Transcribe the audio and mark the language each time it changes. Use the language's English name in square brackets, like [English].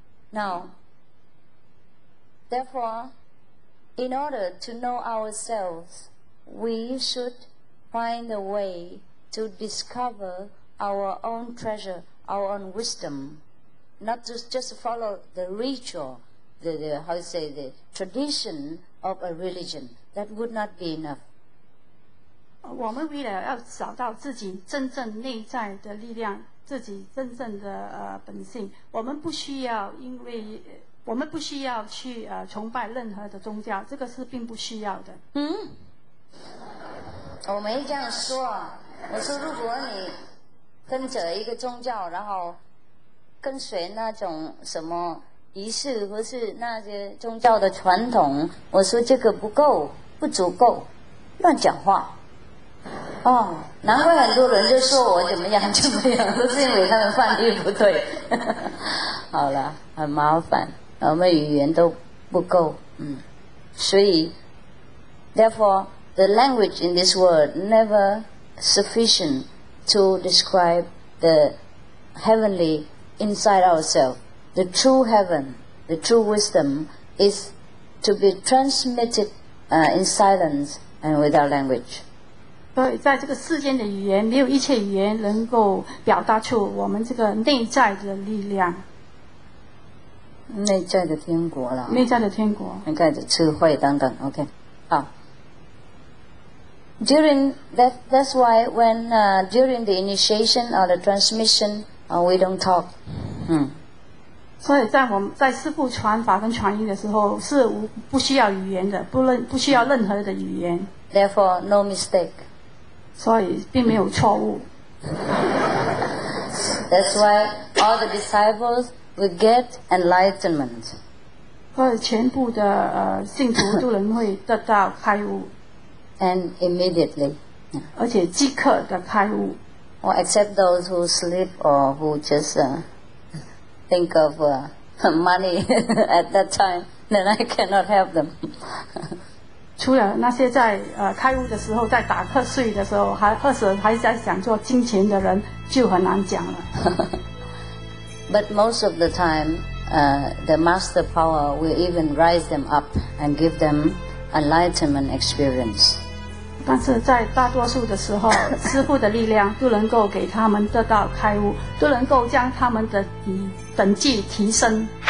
[English] Now, therefore,In order to know ourselves, we should find a way to discover our own treasure, our own wisdom, not to just follow the ritual, the tradition of a religion. That would not be enough. [Chinese] 我们为了要找到自己真正内在的力量，自己真正的本性，我们不需要因为我们不需要去崇拜任何的宗教，这个是并不需要的。我没这样说，我说如果你跟着一个宗教，然后跟随那种什么仪式或是那些宗教的传统，我说这个不够，不足够，乱讲话。哦，难怪很多人就说我怎么样怎么样，都是因为他们犯律不对。好了，很麻烦，我们语言都不够，所以 [English] therefore the language in this world never sufficient to describe the heavenly inside ourselves. The true heaven, the true wisdom is to be transmitted in silence and without language. [Chinese] 对，在这个世间的语言，没有一切语言能够表达出我们这个内在的力量，内在的天国了，内在的天国，内在的智慧等等。OK, 好。 [English] During that's why when during the initiation or the transmission, we don't talk. [Chinese] 所以在我们在师父传法跟传音的时候，是不需要语言的，不需要任何的语言。 [English] Therefore, no mistake. [Chinese] 所以并没有错误。 [English] That's why all the disciples will get enlightenment. [Chinese] 所以全部的信徒都能会得到开悟。 [English] And immediately. [Chinese] 而且即刻的开悟。 [English] Or except those who sleep or who just think of money at that time, then I cannot help them. [Chinese] 除了那些在开悟的时候在打瞌睡的时候还在想做金钱的人，就很难讲了。 [English] But most of the time, the master power will even rise them up and give them enlightenment experience. [Chinese] 但是在大多数的时候，师父的力量都能够给他们得到开悟，都能够将他们的等级提升。